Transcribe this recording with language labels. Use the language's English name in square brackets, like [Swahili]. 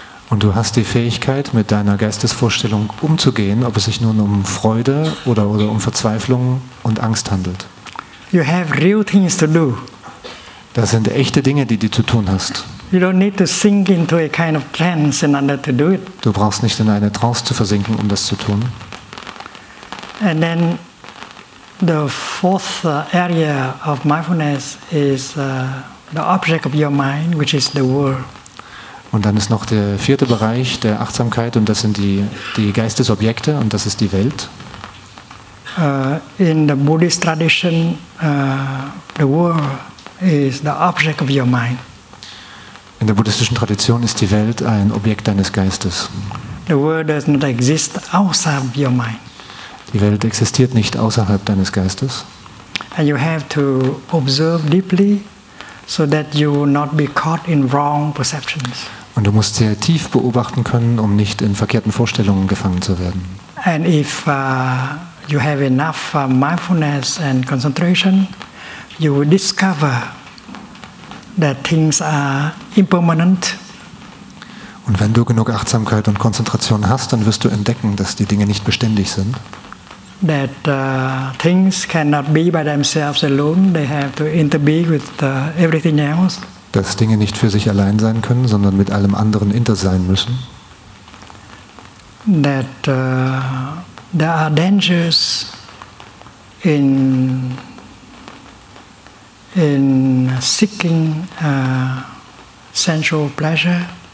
[German] Und du hast die Fähigkeit, mit deiner Geistesvorstellung umzugehen, ob es sich nun um Freude oder um Verzweiflung und Angst handelt. [English] You have real things to do. [German] Das sind echte Dinge, die du zu tun hast. [English] You don't need to sink into a kind of trance in order to do it. [German] Du brauchst nicht in eine Trance zu versinken, um das zu tun. [English] And then the fourth area of mindfulness is the object of your mind, which is the world. [German] Und dann ist noch der vierte Bereich der Achtsamkeit, und das sind die Geistesobjekte, und das ist die Welt. [English] In the Buddhist tradition, the world is the object of your mind. [German] In der buddhistischen Tradition ist die Welt ein Objekt deines Geistes. [English] The world does not exist outside of your mind. [German] Die Welt existiert nicht außerhalb deines Geistes. [English] And you have to observe deeply, so that you will not be caught in wrong perceptions. [German] Und du musst sehr tief beobachten können, um nicht in verkehrten Vorstellungen gefangen zu werden. [English] And if you have enough mindfulness and concentration, you will discover that things are impermanent. [German] Und wenn du genug Achtsamkeit und Konzentration hast, dann wirst du entdecken, dass die Dinge nicht beständig sind. [English] That things cannot be by themselves alone, they have to interbe with everything else. [German] Dass Dinge nicht für sich allein sein können, sondern mit allem anderen inter sein müssen. [English] That there are dangers in seeking sensual pleasure.